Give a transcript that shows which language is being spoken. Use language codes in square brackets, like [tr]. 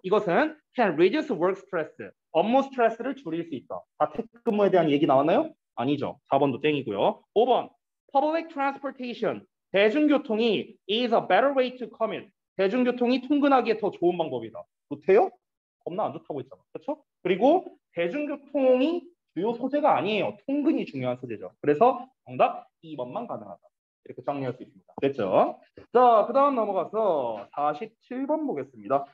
[ko] 이것은 [en] can reduce work stress. [ko] 업무 스트레스를 줄일 수 있다. 자택근무에 대한 얘기 나왔나요? 아니죠. 4번도 땡이고요. 5번. [en] Public transportation. [ko] 대중교통이 [en] is a better way to commute. [ko] 대중교통이 통근하기에 더 좋은 방법이다. 좋대요? 겁나 안 좋다고 했잖아. 그렇죠? 그리고 대중교통이 주요 소재가 아니에요. 통근이 중요한 소재죠. 그래서 정답 2번만 가능하다. 이렇게 정리할 수 있습니다. 됐죠? 자, 그다음 넘어가서 47번 보겠습니다.